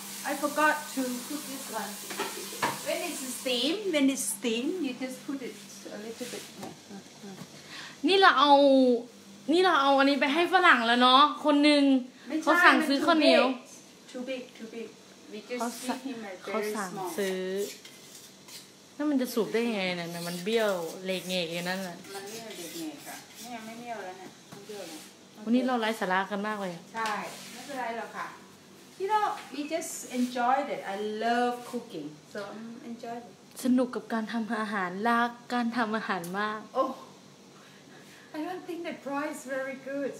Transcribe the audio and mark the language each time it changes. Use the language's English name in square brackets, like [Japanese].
[English] I forgot to put this one when it's steam you just put it a little bit [Thai] นี่เราเอาอันนี้ไปให้ฝรั่งแล้วเนาะคนหนึ่งเขาสั่งซื้อข้าวเหนียว [English] too big [Thai] เขาสั่งซื้อนั่นมันจะสูบได้ยังไงเนี่ยมันเบี้ยวเหล็กเงยอย่างนั้นน่ะ มัน เบี้ยวเหล็กเงยค่ะไม่เบี้ยวแล้วเนี่ยมันเบี้ยวเลย วันนี้เราไร้สาระกันมากเลย ใช่ไม่เป็นไรหรอกค่ะ [English] you know we just enjoyed it I love cooking so enjoy [Thai] สนุกกับการทำอาหารรักการทำอาหารมาก [English] I don't think that Proy is very good.